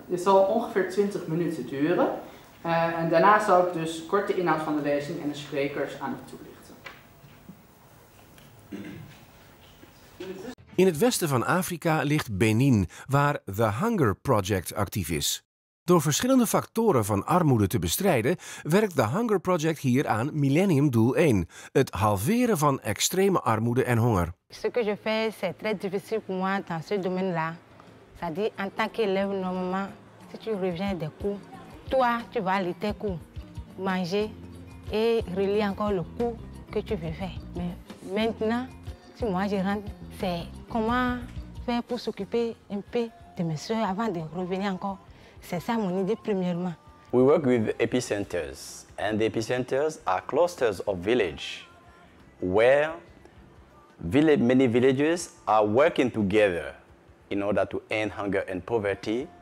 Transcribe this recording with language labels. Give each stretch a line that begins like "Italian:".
Dutch: Dit zal ongeveer 20 minuten duren. En daarna zal ik dus kort de inhoud van de lezing en de sprekers aan u toelichten. In het westen van Afrika ligt Benin, waar The Hunger Project actief is. Door verschillende factoren van armoede te bestrijden, werkt The Hunger Project hier aan Millennium Doel 1, het halveren van extreme armoede en honger.
French: Ce que je fais, c'est très difficile pour moi dans ce domaine-là. C'est-à-dire, en tant qu'élève, normalement, si tu reviens des cours, toi, tu vas aller tes cours, manger et relier encore le cours que tu veux faire. Mais maintenant, si moi je rentre, c'est comment faire pour s'occuper un peu de mes soeurs avant de revenir encore. C'est ça mon idée premièrement.
English: We work with epicenters, and the epicenters are clusters of village where many villages are working together in order to end hunger and poverty.